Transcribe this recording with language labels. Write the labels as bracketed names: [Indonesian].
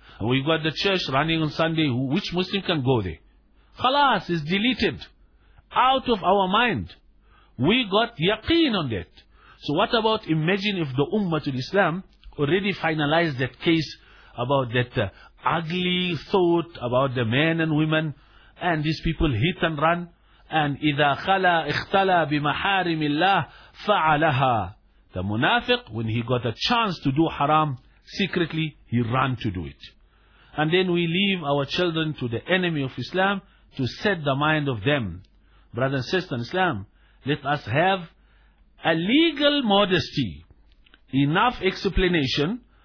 [English] We got the church running on Sunday. Which Muslim can go there? Khalas is deleted. Out of our mind. We got yaqeen on that. So what about, imagine if the Ummah to Islam already finalized that case about that ugly thought about the men and women, and these people hit and run. And [Arabic] إِذَا خَلَى اِخْتَلَى بِمَحَارِمِ اللَّهِ فَعَلَهَا. [English] The munafiq, when he got a chance to do haram secretly, he ran to do it. And then we leave our children to the enemy of Islam to set the mind of them. Brother and sister in Islam, let us have a legal modesty, enough explanation,